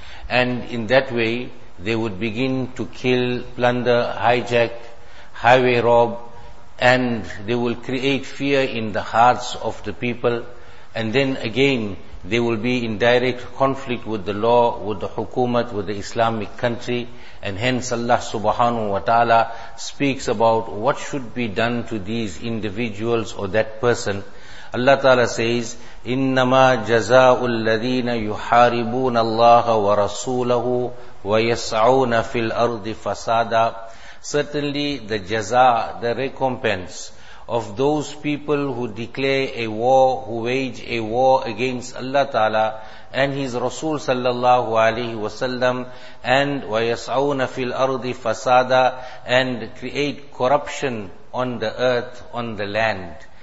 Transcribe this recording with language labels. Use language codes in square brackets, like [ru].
[en] And in that way, they would begin to kill, plunder, hijack, highway rob, and they will create fear in the hearts of the people. And then again, they will be in direct conflict with the law, with the hukumat, with the Islamic country. And hence Allah subhanahu wa ta'ala speaks about what should be done to these individuals or that person. Allah ta'ala says, [ar] إِنَّمَا جَزَاءُ الَّذِينَ يُحَارِبُونَ اللَّهَ وَرَسُولَهُ وَيَسْعَوْنَ فِي الْأَرْضِ فَسَادًا. [en] Certainly the jaza, the recompense of those people who declare a war, who wage a war against Allah ta'ala and His Rasul sallallahu alayhi wa sallam, and [ar] وَيَسْعَوْنَ فِي الْأَرْضِ [en] fasada, and create corruption on the earth, on the land.